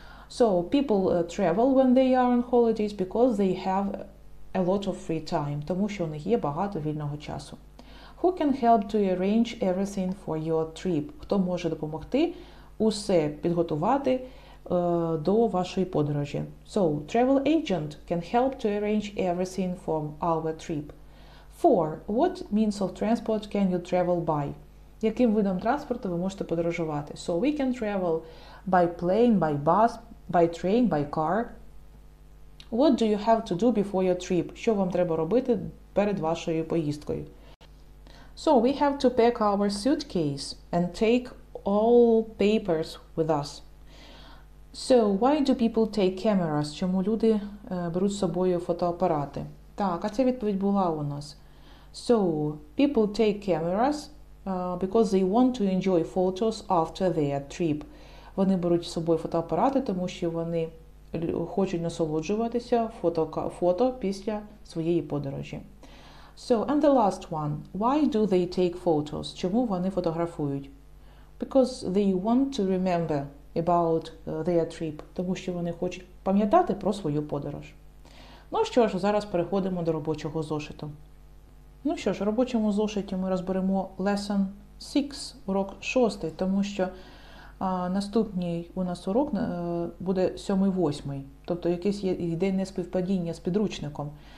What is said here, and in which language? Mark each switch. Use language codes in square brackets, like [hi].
[en] So, people travel when they are on holidays because they have a lot of free time. [uk] Тому що у них є багато вільного часу. [en] Who can help to arrange everything for your trip? [uk] Хто може допомогти усе підготувати до вашої подорожі? [en] So, travel agent can help to arrange everything for our trip. 4. What means of transport can you travel by? [uk] Яким видом транспорту ви можете подорожувати? [en] So, we can travel by plane, by bus, by train, by car. What do you have to do before your trip? [uk] Що вам треба робити перед вашою поїздкою? [en] So, we have to pack our suitcase and take all papers with us. So, why do people take cameras? [uk] Чому люди беруть з собою фотоапарати? Так, а ця відповідь була у нас. [en] So, people take cameras because they want to enjoy photos after their trip. [uk] Вони беруть з собою фотоапарати, тому що вони хочуть насолоджуватися фото після своєї подорожі. [en] So, and the last one. Why do they take photos? [uk] Чому вони фотографують? [en] Because they want to remember about their trip. [uk] Тому що вони хочуть пам'ятати про свою подорож. Ну що ж, зараз переходимо до робочого зошиту. Ну що ж, в робочому зошиті ми розберемо [en] lesson 6, [uk] урок 6, тому що наступний у нас урок буде 7-8, тобто якесь йде неспівпадіння з підручником.